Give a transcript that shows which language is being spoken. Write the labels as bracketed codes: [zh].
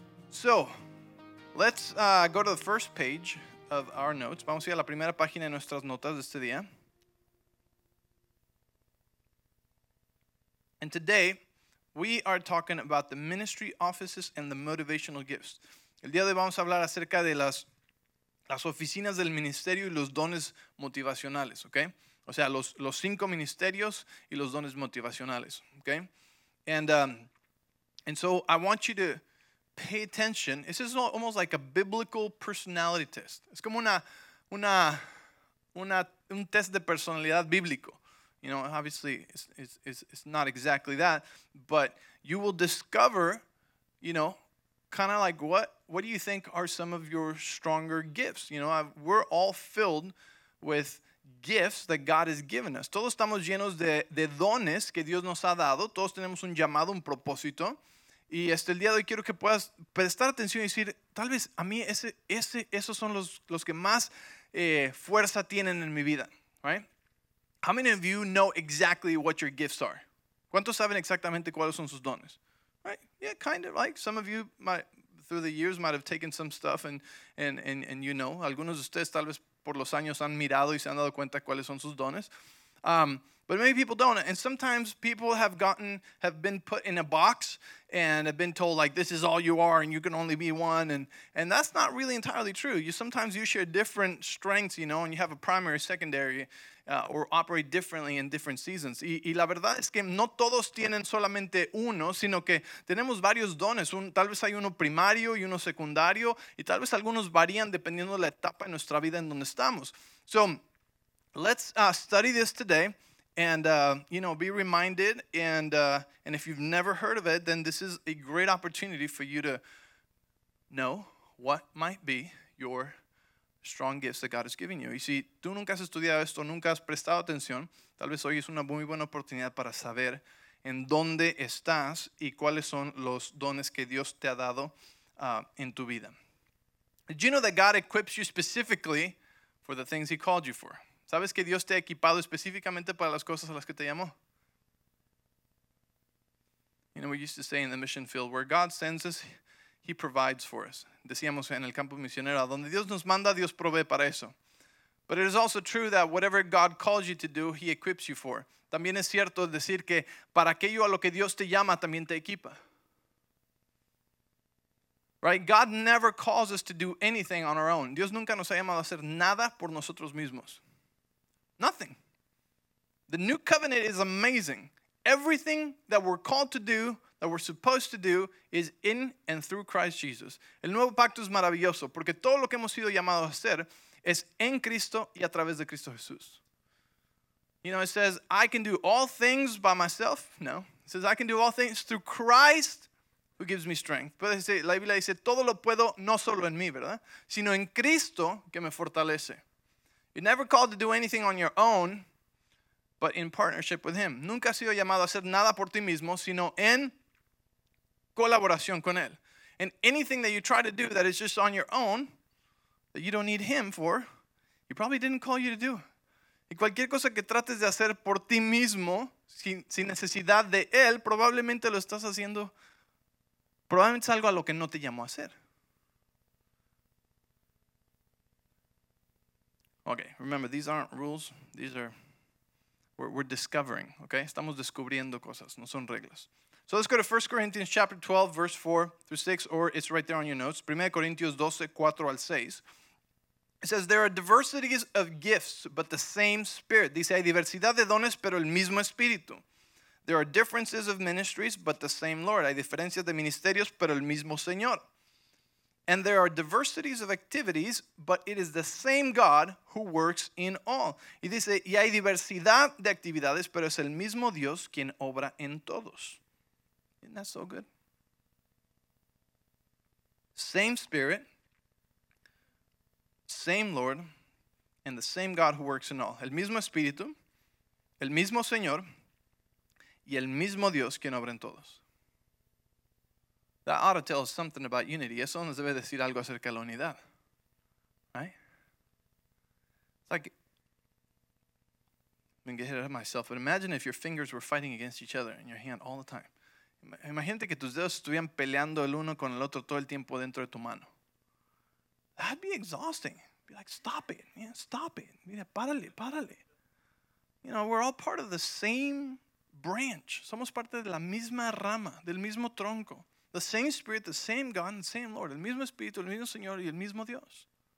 [en] So, let's go to the first page of our notes. [es] Vamos a ir a la primera página de nuestras notas de este día. [en] And today, we are talking about the ministry offices and the motivational gifts. [es] El día de hoy vamos a hablar acerca de las oficinas del ministerio y los dones motivacionales, ¿ok? O sea, los cinco ministerios y los dones motivacionales, ¿ok? [en] And so I want you to pay attention. This is almost like a biblical personality test. [es] Es como un test de personalidad bíblico. [en] You know, obviously, it's not exactly that, but you will discover, you know, kind of like what do you think are some of your stronger gifts? You know, we're all filled with gifts that God has given us. [es] Todos estamos llenos de dones que Dios nos ha dado. Todos tenemos un llamado, un propósito. Y hasta el día de hoy quiero que puedas prestar atención y decir, tal vez a mí esos son los que más fuerza tienen en mi vida, right? [en] How many of you know exactly what your gifts are? [es] ¿Cuántos saben exactamente cuáles son sus dones? [en] Right? Yeah, kind of like some of you might, through the years might have taken some stuff and you know. [es] Algunos de ustedes tal vez por los años han mirado y se han dado cuenta cuáles son sus dones. [en] But many people don't. And sometimes people have been put in a box and have been told, like, this is all you are and you can only be one. And that's not really entirely true. Sometimes you share different strengths, you know, and you have a primary, secondary, or operate differently in different seasons. [es] Y la verdad es que no todos tienen solamente uno, sino que tenemos varios dones. Tal vez hay uno primario y uno secundario. Y tal vez algunos varían dependiendo de la etapa en nuestra vida en donde estamos. [en] So let's study this today. And, you know, be reminded, and if you've never heard of it, then this is a great opportunity for you to know what might be your strong gifts that God has given you. [es] Y si tú nunca has estudiado esto, nunca has prestado atención, tal vez hoy es una muy buena oportunidad para saber en dónde estás y cuáles son los dones que Dios te ha dado en tu vida. [en] Did you know that God equips you specifically for the things he called you for? [es] ¿Sabes que Dios te ha equipado específicamente para las cosas a las que te llamó? [en] You know, we used to say in the mission field, where God sends us, he provides for us. [es] Decíamos en el campo misionero, donde Dios nos manda, Dios provee para eso. [en] But it is also true that whatever God calls you to do, he equips you for. [es] También es cierto decir que para aquello a lo que Dios te llama, también te equipa. [en] Right? God never calls us to do anything on our own. [es] Dios nunca nos ha llamado a hacer nada por nosotros mismos. [en] Nothing. The new covenant is amazing. Everything that we're called to do, that we're supposed to do, is in and through Christ Jesus. [es] El nuevo pacto es maravilloso, porque todo lo que hemos sido llamados a hacer es en Cristo y a través de Cristo Jesús. [en] You know, it says, I can do all things by myself. No. It says, I can do all things through Christ who gives me strength. [es] Pues la Biblia dice, todo lo puedo no solo en mí, ¿verdad? Sino en Cristo que me fortalece. [en] You're never called to do anything on your own, but in partnership with him. [es] Nunca has sido llamado a hacer nada por ti mismo, sino en colaboración con él. [en] And anything that you try to do that is just on your own, that you don't need him for, he probably didn't call you to do. [es] Y cualquier cosa que trates de hacer por ti mismo, sin necesidad de él, probablemente lo estás haciendo, probablemente es algo a lo que no te llamó a hacer. [en] Okay, remember, these aren't rules. These are, we're discovering, okay? [es] Estamos descubriendo cosas, no son reglas. [en] So let's go to 1 Corinthians chapter 12, verse 4 through 6, or it's right there on your notes. 1 Corinthians 12, 4 al 6. It says, there are diversities of gifts, but the same Spirit. [es] Dice, hay diversidad de dones, pero el mismo Espíritu. [en] There are differences of ministries, but the same Lord. [es] Hay diferencias de ministerios, pero el mismo Señor. [en] And there are diversities of activities, but it is the same God who works in all. [es] Y dice, y hay diversidad de actividades, pero es el mismo Dios quien obra en todos. [en] Isn't that so good? Same Spirit, same Lord, and the same God who works in all. [es] El mismo Espíritu, el mismo Señor, y el mismo Dios quien obra en todos. [en] That ought to tell us something about unity. [es] Eso nos debe decir algo acerca de la unidad. [en] Right? It's like, I'm going to get ahead of myself, but imagine if your fingers were fighting against each other in your hand all the time. [es] Imagínate que tus dedos estuvieran peleando el uno con el otro todo el tiempo dentro de tu mano. [en] That'd be exhausting. Be like, stop it, man, stop it. [es] Mira, párale, párale. [en] You know, we're all part of the same branch. [es] Somos parte de la misma rama, del mismo tronco. [en] The same Spirit, the same God, and the same Lord. [es] El mismo Espíritu, el mismo Señor y el mismo Dios.